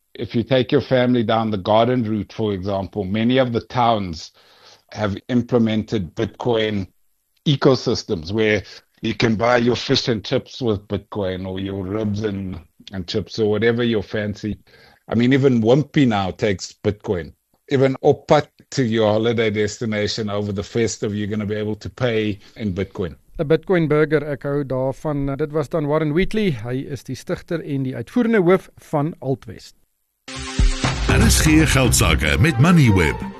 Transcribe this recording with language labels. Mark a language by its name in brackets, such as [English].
[English] If you take your family down the garden route, for example, many of the towns have implemented Bitcoin ecosystems where you can buy your fish and chips with Bitcoin, or your ribs and chips, or whatever your fancy. I mean, even Wimpy now takes Bitcoin. Even Opat to your holiday destination over the festive, you're going to be able to pay in Bitcoin. A Bitcoin burger, [Afrikaans] ek hou daarvan. Dit was dan Warren Wheatley. Hy is die stichter en die uitvoerende hoof van Altvest. Daar is geen geldsaake met Moneyweb.